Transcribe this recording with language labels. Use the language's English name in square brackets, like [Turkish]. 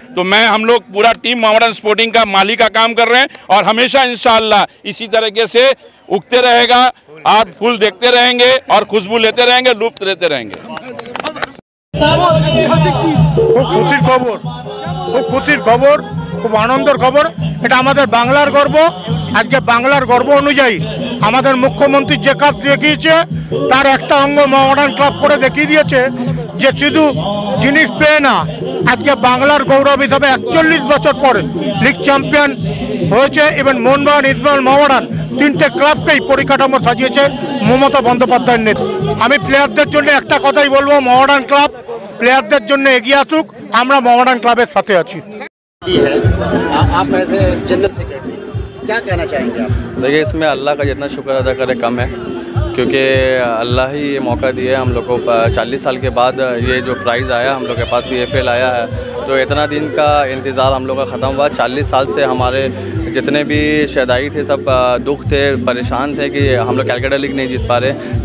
[Hindi] तो मैं, हम लोग पूरा टीम मोमडन स्पोर्टिंग का माली का काम कर रहे हैं और हमेशा इंशाल्लाह इसी तरीके से उगते रहेगा, आप फूल देखते रहेंगे और खुशबू लेते रहेंगे, लुप्त लेते रहेंगे। खुशी खबर, खूब खुशी खबर, खूब आनंद खबर। ये बांगलार गर्व, आज के बांगलार गर्व अनुजाई [Bangla] আমাদের মুখ্যমন্ত্রী যে কাজ দেখিয়েছে তার একটা অঙ্গ মোহামডান ক্লাব করে দেখিয়ে দিয়েছে যে শুধু জিনিস পেয়ে না, আজকে বাংলার গৌরব হিসাবে 41 বছর পরে লিগ চ্যাম্পিয়ন হয়েছে। ইভেন মোহনবাগান, ইসমাইল, মোহামডান তিনটে ক্লাবকেই পরিকাঠামো সাজিয়েছে মমতা বন্দ্যোপাধ্যায়ের নেতৃত্বে। আমি প্লেয়ারদের জন্য একটা কথাই বলবো, মোহামডান ক্লাব প্লেয়ারদের জন্য এগিয়ে আসুক, আমরা মোহামডান ক্লাবের সাথে আছি। [Hindi] क्या कहना चाहेंगे आप? देखिए, इसमें अल्लाह का जितना शुक्र अदा करें कम है, क्योंकि अल्लाह ही ये मौका दिया है हम लोग को। 40 साल के बाद ये जो प्राइज़ आया हम लोग के पास, CFL आया है, तो इतना दिन का इंतज़ार हम लोग का ख़त्म हुआ। 40 साल से हमारे जितने भी शहदाई थे सब दुख थे, परेशान थे कि हम लोग कैलकटा लीग नहीं जीत पा रहे।